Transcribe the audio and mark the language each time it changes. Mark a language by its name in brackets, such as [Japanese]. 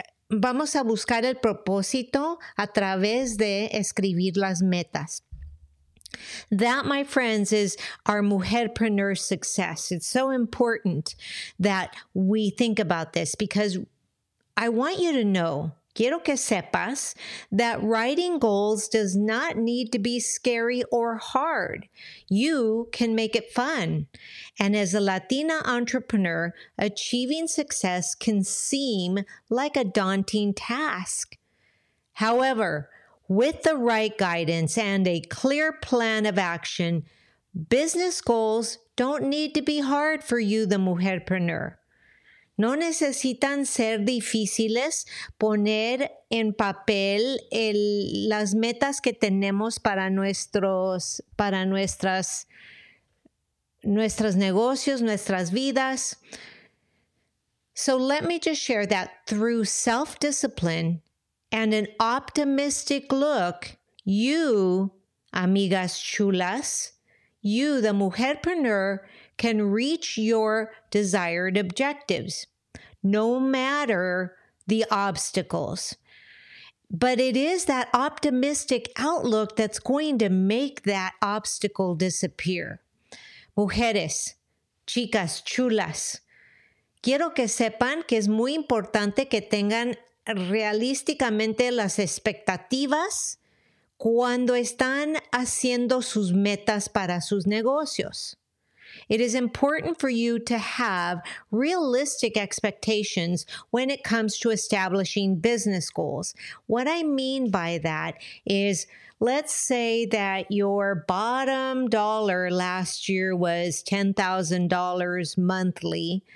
[Spanish] Vamos a buscar el propósito a través de escribir las metas. [English] That, my friends, is our mujerpreneur success. It's so important that we think about this because I want you to know, [Spanish] quiero que sepas, [English] that writing goals does not need to be scary or hard. You can make it fun. And as a Latina entrepreneur, achieving success can seem like a daunting task. However, with the right guidance and a clear plan of action, business goals don't need to be hard for you, the mujerpreneur. No necesitan ser difíciles poner en papel las metas que tenemos para nuestros negocios, nuestras vidas. So let me just share that through self-discipline and an optimistic look, you, [Spanish] amigas chulas, [English] you, the mujerpreneur, can reach your desired objectives, no matter the obstacles. But it is that optimistic outlook that's going to make that obstacle disappear. [Spanish] Mujeres, chicas chulas, quiero que sepan que es muy importante que tengan realísticamente las expectativas cuando están haciendo sus metas para sus negocios. [English] It is important for you to have realistic expectations when it comes to establishing business goals. What I mean by that is, let's say that your bottom dollar last year was $10,000 monthly.